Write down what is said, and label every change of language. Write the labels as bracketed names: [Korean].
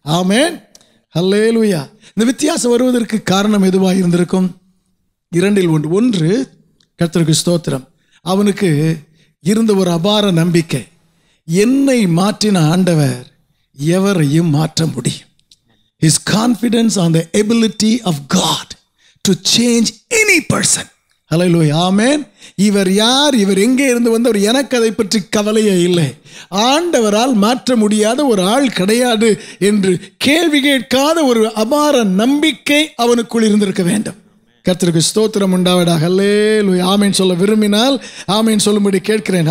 [Tamil] ஆமென், ஹலேலூயா. இந்த வித்தியாசம் வருவதற்கு காரணம் எதுவாக இருந்திருக்கும்? இரண்டில் ஒன்று. ஒன்று, கர்த்தருக்கு ஸ்தோத்திரம், அவனுக்கு இருந்த ஒரு அபார நம்பிக்கை, என்னை மாற்றின ஆண்டவர் எவரையும் மாற்ற முடியும். [English] His confidence on the ability of God to change any person. Hallelujah. Amen. [Tamil] இவர் யார், இவர் எங்கே இருந்து வந்தவர், எனக்கு அதை பற்றி கவலையே இல்லை. ஆண்டவரால் மாற்ற முடியாத ஒரு ஆள் கிடையாது என்று கேள்வி கேட்காத ஒரு அபார நம்பிக்கை அவனுக்குள் இருந்திருக்க வேண்டும். கர்த்தருக்கு ஸ்தோத்திரம் உண்டாவதாக. ஹல்லேலூயா. ஆமென் சொல்ல விரும்பினால் ஆமென் சொல்லும்படி கேட்கிறேன்.